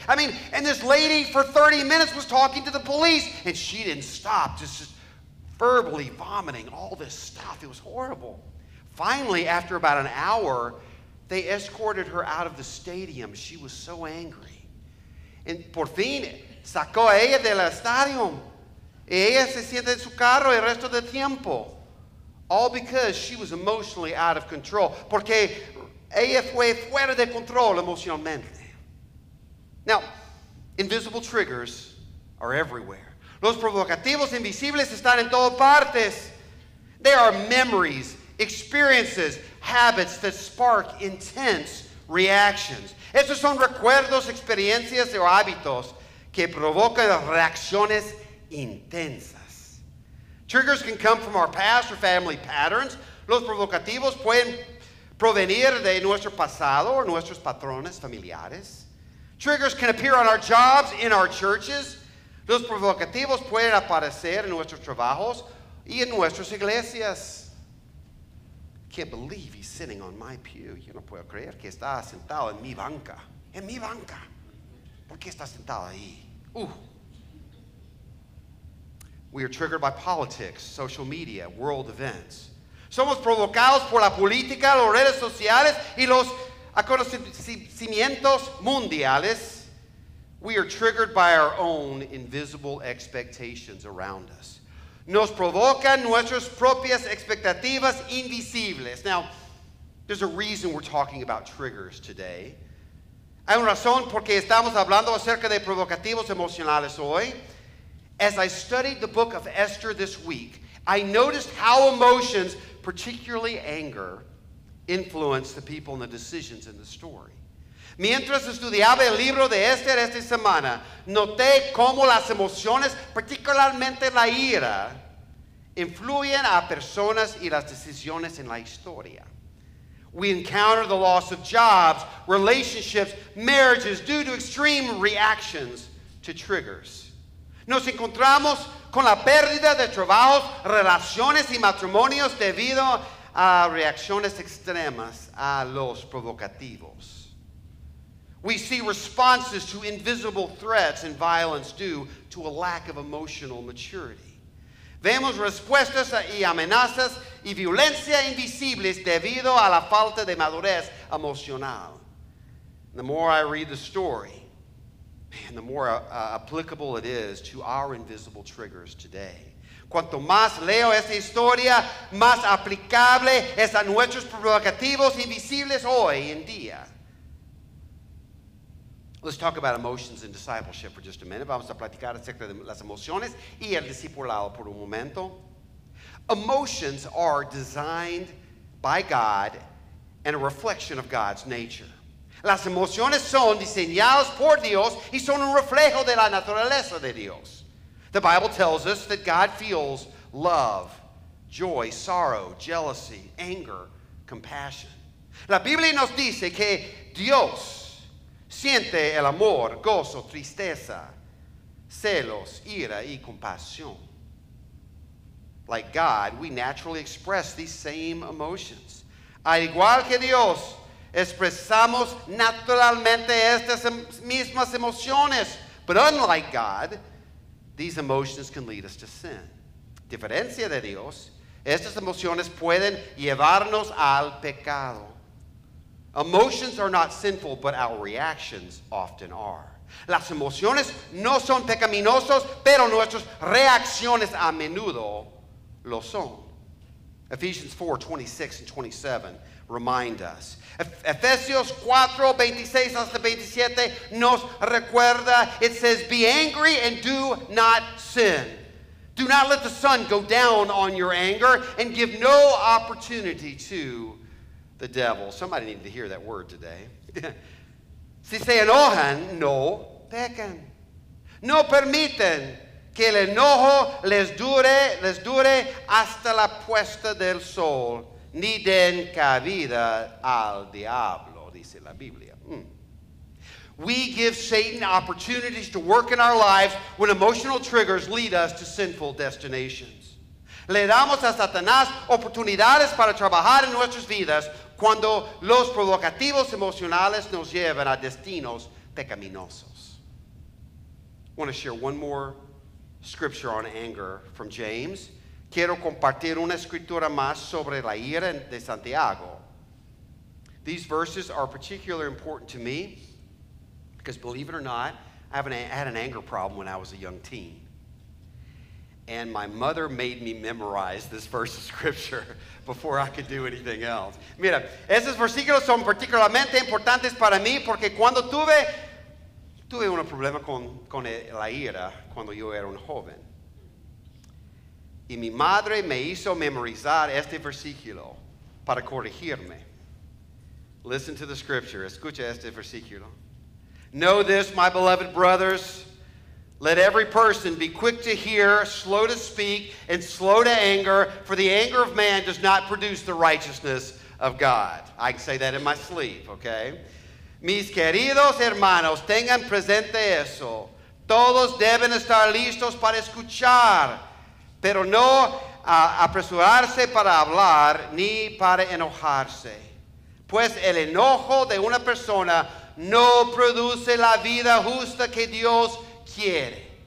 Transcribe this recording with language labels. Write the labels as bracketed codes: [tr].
[en] I mean, and this lady for 30 minutes was talking to the police, and she didn't stop, just verbally vomiting all this stuff. It was horrible. Finally, after about an hour, they escorted her out of the stadium. She was so angry. And [es] por fin, sacó a ella del estadio. Y ella se siente en su carro el resto del tiempo. [en] All because she was emotionally out of control. [es] Porque ella fue fuera de control emocionalmente. [en] Now, invisible triggers are everywhere. [es] Los provocativos invisibles están en todas partes. [en] They are memories, experiences, habits that spark intense reactions. [es] Esos son recuerdos, experiencias o hábitos que provocan reacciones intensas. [en] Triggers can come from our past or family patterns. [es] Los provocativos pueden provenir de nuestro pasado o nuestros patrones familiares. [en] Triggers can appear on our jobs, in our churches. [es] Los provocativos pueden aparecer en nuestros trabajos y en nuestras iglesias. [en] I can't believe he's sitting on my pew. [es] Yo no puedo creer que está sentado en mi banca. En mi banca. ¿Por qué está sentado ahí? [en] We are triggered by politics, social media, world events. [es] Somos provocados por la política, las redes sociales y los acontecimientos mundiales. [en] We are triggered by our own invisible expectations around us. [es] Nos provocan nuestras propias expectativas invisibles. [en] Now, there's a reason we're talking about triggers today. [es] Hay una razón porque estamos hablando acerca de provocativos emocionales hoy. [en] As I studied the book of Esther this week, I noticed how emotions, particularly anger, influence the people and the decisions in the story. [es] Mientras estudiaba el libro de Esther esta semana, noté cómo las emociones, particularmente la ira, influyen a personas y las decisiones en la historia. [en] We encounter the loss of jobs, relationships, marriages due to extreme reactions to triggers. [es] Nos encontramos con la pérdida de trabajos, relaciones y matrimonios debido a reacciones extremas a los provocativos. [en] We see responses to invisible threats and violence due to a lack of emotional maturity. [es] Vemos respuestas y amenazas y violencia invisibles debido a la falta de madurez emocional. [en] The more I read the story, man, the more applicable it is to our invisible triggers today. [es] Cuanto más leo esta historia, más aplicable es a nuestros provocativos invisibles hoy en día. [en] Let's talk about emotions and discipleship for just a minute. [es] Vamos a platicar acerca de las emociones y el discipulado por un momento. [en] Emotions are designed by God and a reflection of God's nature. [es] Las emociones son diseñadas por Dios y son un reflejo de la naturaleza de Dios. [en] The Bible tells us that God feels love, joy, sorrow, jealousy, anger, compassion. [es] La Biblia nos dice que Dios siente el amor, gozo, tristeza, celos, ira y compasión. [en] Like God, we naturally express these same emotions. [es] Al igual que Dios, expresamos naturalmente estas mismas emociones. [en] But unlike God, these emotions can lead us to sin. [es] Diferencia de Dios, estas emociones pueden llevarnos al pecado. [en] Emotions are not sinful, but our reactions often are. [es] Las emociones no son pecaminosos, pero nuestras reacciones a menudo lo son. [en] Ephesians 4, 26 and 27 remind us. [es] Ephesians 4, 26 hasta 27 nos recuerda. [en] It says, be angry and do not sin. Do not let the sun go down on your anger and give no opportunity to the devil. Somebody needed to hear that word today. [es] Si se enojan, no pecan. No permiten que el enojo les dure hasta la puesta del sol, ni den cabida al diablo, dice la Biblia. [en] We give Satan opportunities to work in our lives when emotional triggers lead us to sinful destinations. [es] Le damos a Satanás oportunidades para trabajar en nuestras vidas cuando los provocativos emocionales nos llevan a destinos pecaminosos. [en] I want to share one more scripture on anger from James. [es] Quiero compartir una escritura más sobre la ira de Santiago. [en] These verses are particularly important to me because, believe it or not, I had an anger problem when I was a young teen. And my mother made me memorize this verse of scripture before I could do anything else. [es] Mira, esos versículos son particularmente importantes para mí porque cuando tuve Tuve un problema con la ira cuando yo era un joven. Y mi madre me hizo memorizar este versículo para corregirme. [en] Listen to the scripture. [es] Escucha este versículo. [en] Know this, my beloved brothers. Let every person be quick to hear, slow to speak, and slow to anger, for the anger of man does not produce the righteousness of God. I can say that in my sleep, okay? [es] Mis queridos hermanos, tengan presente eso. Todos deben estar listos para escuchar, pero no apresurarse para hablar ni para enojarse. Pues el enojo de una persona no produce la vida justa que Dios quiere.